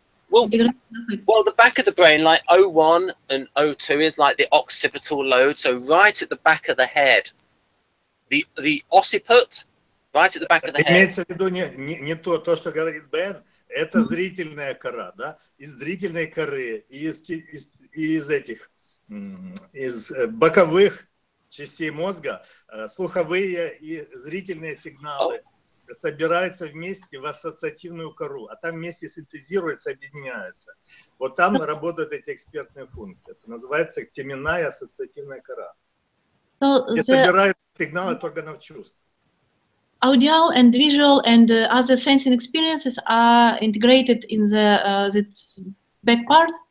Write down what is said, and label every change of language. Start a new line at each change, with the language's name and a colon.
English: Well, the back of the brain, like O1 and O2, is like the occipital lobe. So right at the back of the head, the occiput, right at the back of the head.
Russian: Имеется в виду не то, то, что говорит Бен, это зрительная кора, да? Из зрительной коры, из этих, из боковых частей мозга, слуховые и зрительные сигналы собираются вместе в ассоциативную кору, а там вместе синтезируется, объединяется. Вот там работают эти экспертные функции. Это называется теменная ассоциативная кора. Собирают сигналы от органов чувств.
English: Audial and visual and other sensing experiences are integrated in the its back part.